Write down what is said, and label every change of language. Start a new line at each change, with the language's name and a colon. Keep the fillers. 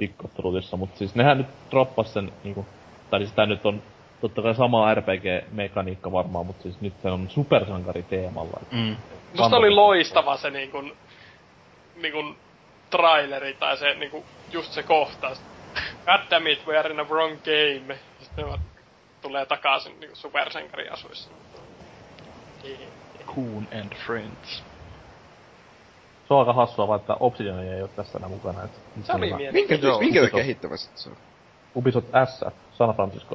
Finnish: Dick mutta siis nehän nyt droppas sen niinku... Tai siis tää nyt on totta kai sama RPG-mekaniikka varmaan, mutta siis nyt se on supersankari teemalla. Mm. Musta oli loistava teemalla. se niinku... Niinku traileri tai se niinku just se kohtaus.
English: God damn it, we are in a wrong game.
Finnish: Sitten tulee takaisin niinku supersankari asuissa.
English: Coon and Friends.
Finnish: Se on aika hassua, vaikka Obsidian ei ole tässä enää mukana. Et, niin sellana... se oli Minkä, joo, minkä Ubisoft, se on? Ubisoft S, San Francisco.